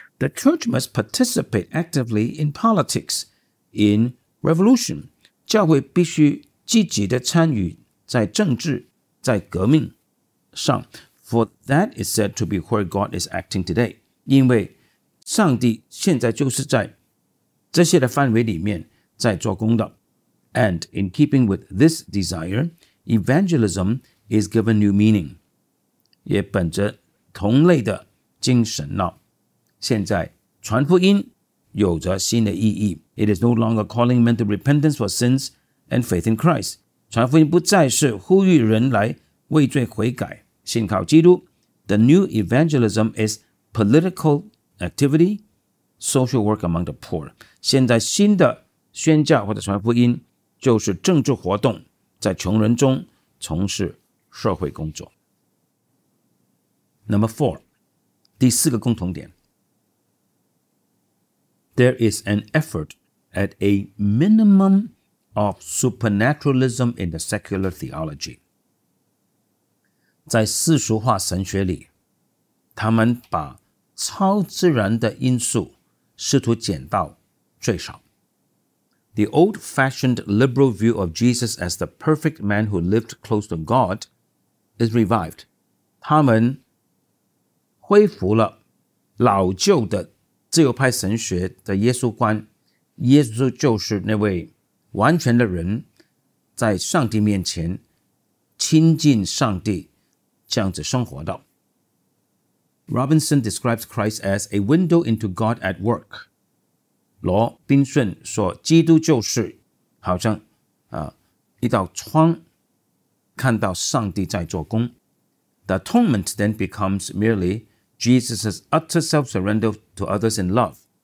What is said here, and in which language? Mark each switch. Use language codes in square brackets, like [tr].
[en] The church must participate actively in politics, in revolution. [zh] 教会必须积极地参与在政治，在革命上。 [en] For that is said to be where God is acting today. [zh] 因为上帝现在就是在这些的范围里面在做工的。 [en] And in keeping with this desire, evangelism is given new meaning. [zh] 也本着同类的精神了。现在传福音有着新的意义。 [en] It is no longer calling men to repentance for sins and faith in Christ. [zh] 传福音不再是呼吁人来畏罪悔改，信靠基督。 [en] The new evangelism is political activity, social work among the poor. [zh] 现在新的宣教或者传福音就是政治活动，在穷人中从事社会工作。 [en] Number four, [zh] 第四个共同点。 [en] There is an effort at a minimum of supernaturalism in the secular theology. [zh] 在世俗化神学里，他们把超自然的因素试图减到最少。 [en] The old-fashioned liberal view of Jesus as the perfect man who lived close to God is revived. [zh] 他们恢复了老旧的自由派神学的耶稣观。耶稣就是那位完全的人，在上帝面前亲近上帝，这样子生活的。 [en] Robinson describes Christ as a window into God at work. [zh] 罗宾逊说基督就是好像一道窗看到上帝在做工。 [en] The atonement then becomes merely Jesus' utter self-surrender to others in love.